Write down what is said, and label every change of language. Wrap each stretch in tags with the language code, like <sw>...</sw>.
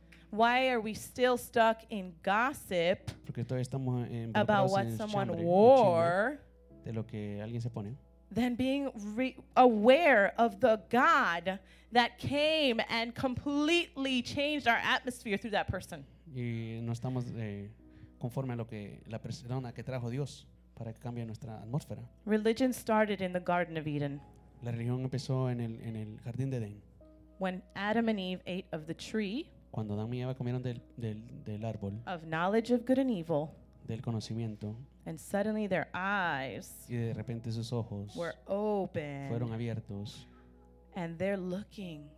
<en>Why are we still stuck in gossip about what someone wore than being aware of the God that came and completely changed our atmosphere through that person?</en> <es>Y no estamos conforme a lo que la persona que trajo Dios para que cambie nuestra atmósfera.</es> <en>Religion started in the Garden of Eden.</en> <es>La religión empezó en el jardín de Edén.</es> <en>When Adam and Eve ate of the tree.</en> <es>Cuando Adán y Eva comieron del árbol.</es> <en>Of knowledge of good and evil.</en> <es>Del conocimiento.</es> <en>And suddenly their eyes.</en> <es>Y de repente sus ojos.</es> <en>Were open.</en> <es>Fueron abiertos.</es> <en>And they're looking.</en>